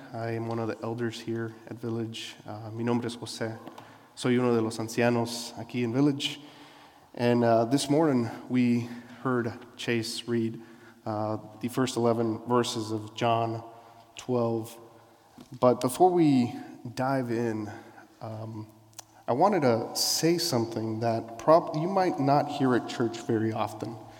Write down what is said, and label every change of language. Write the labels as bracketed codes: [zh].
[en] I am one of the elders here at Village. [es] Mi nombre es Jose. Soy uno de los ancianos aquí en Village. [en] And this morning, we heard Chase read the first 11 verses of John 12. But before we dive in, I wanted to say something that you might not hear at church very often.